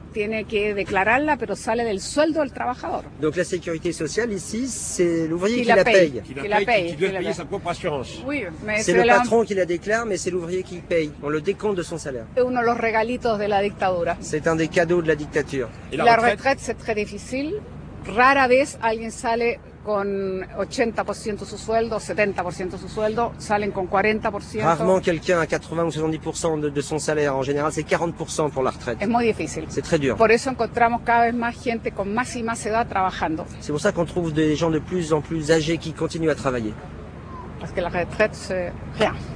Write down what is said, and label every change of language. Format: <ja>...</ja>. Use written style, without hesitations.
<es>Tiene que declararla, pero sale del sueldo del trabajador.</es> <fr>Donc la sécurité sociale ici, c'est l'ouvrier qui la paye. Qui doit payer sa propre assurance. Oui, mais c'est le patron qui la déclare, mais c'est l'ouvrier qui paye. On le décompte de son salaire.</fr> <es>Es uno de los regalitos de la dictadura.</es> <fr>C'est un des cadeaux de la dictature. Et la retraite, c'est très difficile.</fr> <es>Rara vez alguien sale con 80% de su sueldo, 70% de su sueldo, salen con 40%.</es> <fr>Rarement quelqu'un a 80 ou 70% de son salaire. En général, c'est 40% pour la retraite.</fr> <es>Es muy difícil.</es> <fr>C'est très dur.</fr> <es>Por eso encontramos cada vez más gente con más y más edad trabajando.</es> <fr>C'est pour ça qu'on trouve des gens de plus en plus âgés qui continuent à travailler. Parce que la retraite, c'est rien.</fr>